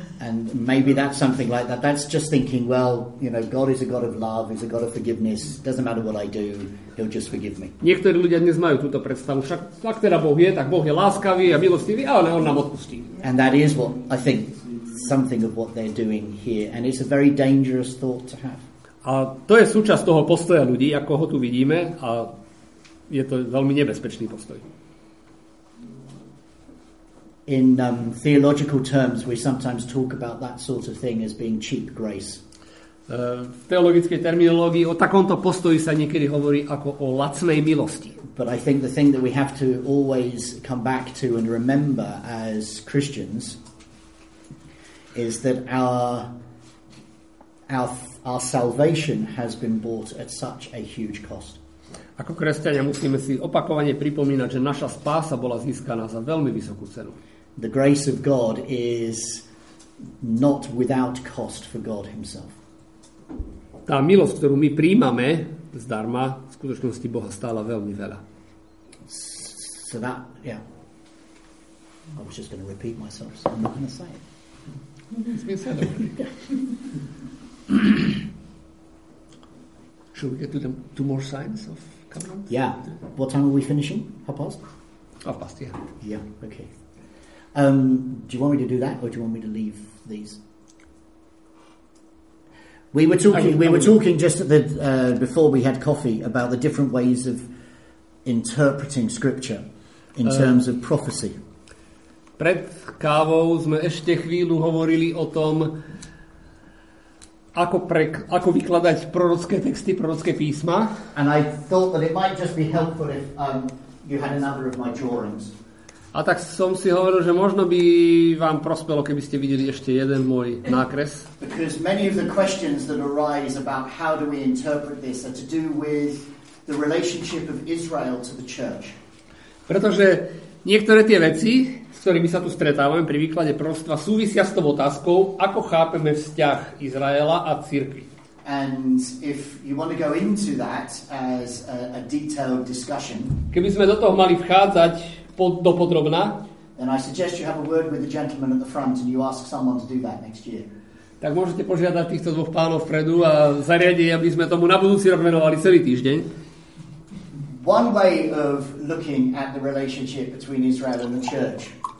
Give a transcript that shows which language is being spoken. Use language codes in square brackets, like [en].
[en] And maybe that's something like that. That's just thinking, well, you know, God is a God of love, is a God of forgiveness. Doesn't matter what I do, he'll just forgive me. [sk] Niektorí ľudia dnes majú túto predstavu, však ak teda Boh je, tak Boh je láskavý a milostivý, ale on nám odpustí. [en] And that is what I think something of what they're doing here, and it's a very dangerous thought to have. [sk] A to je súčasť toho postoja ľudí, ako ho tu vidíme, a je to veľmi nebezpečný postoj. [en] In theological terms we sometimes talk about that sort of thing as being cheap grace. [sk] V teologickej terminológii o takomto postoji sa niekedy hovorí ako o lacnej milosti. [en] But I think the thing that we have to always come back to and remember as Christians is that our salvation has been bought at such a huge cost. [sk] Ako kresťania musíme si opakovane pripomínať, že naša spása bola získaná za veľmi vysokú cenu. [en] The grace of God is not without cost for God himself. [sk] Tá milosť, ktorú my prijímame zdarma, v skutočnosti Boha stála veľmi veľa. [en] So that, yeah. I was just going to repeat myself, so I'm not going to say it. It's been said already. Should we get to the two more signs of covenant? Yeah. What time are we finishing? Half past? Half past, yeah. Yeah, okay. Do you want me to do that, or do you want me to leave these? We were talking just at the before we had coffee about the different ways of interpreting scripture in terms of prophecy. [sk] Pred kávou sme ešte chvíľu hovorili o tom, ako vykladať prorocké texty, prorocké písma. [en] And I thought that it might just be helpful if you had another of my drawings. [sk] A tak som si hovoril, že možno by vám prospelo, keby ste videli ešte jeden môj nákres. [en] Because many of the questions that arise about how do we interpret this are to do with the relationship of Israel to the church. [sk] Pretože niektoré tie veci, s ktorými sa tu stretávame pri výklade proroctva, súvisia s tou otázkou, ako chápeme vzťah Izraela a cirkvi. [en] And if you want to go into that as a detailed discussion. [sk] Keby sme do toho mali vchádzať dopodrobna. [en] Then I suggest you have a word with the gentleman at the front and you ask someone to do that next year. [sk] Tak môžete požiadať týchto dvoch pánov vpredu a zariadiť, aby sme tomu na budúci rok venovali celý týždeň. [en] One way of looking at the relationship between Israel and the church.